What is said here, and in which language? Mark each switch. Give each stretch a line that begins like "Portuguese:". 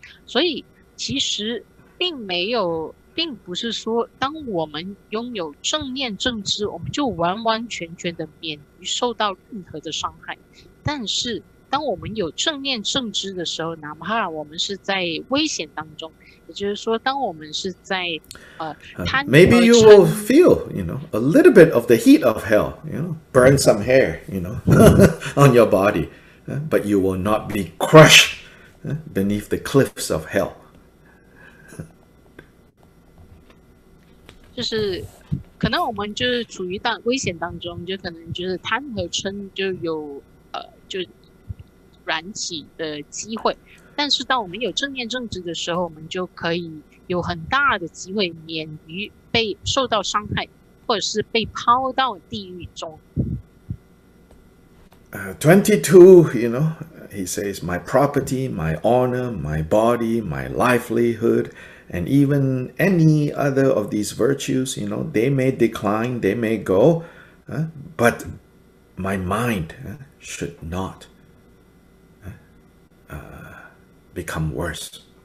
Chinese: 所以其实并没有，并不是说当我们拥有正念正知，我们就完完全全的免于受到任何的伤害，但是当我们有正念正知的时候，哪怕我们是在危险当中，也就是说当我们是在
English: maybe you will feel, you know, a little bit of the heat of hell, you know, burn some hair, you know, on your body, but you will not be crushed beneath the cliffs of hell.
Chinese: 就是可能我们就是处于危险当中，就可能就是贪和嗔就有就燃起的机会，但是当我们有正念正知的时候，我们就可以有很大的机会免于被受到伤害，或者是被抛到地狱中。
English: 22, you know, he says, my property, my honor, my body, my livelihood, and even any other of these virtues, you know, they may decline, they may go, but my mind should not become worse.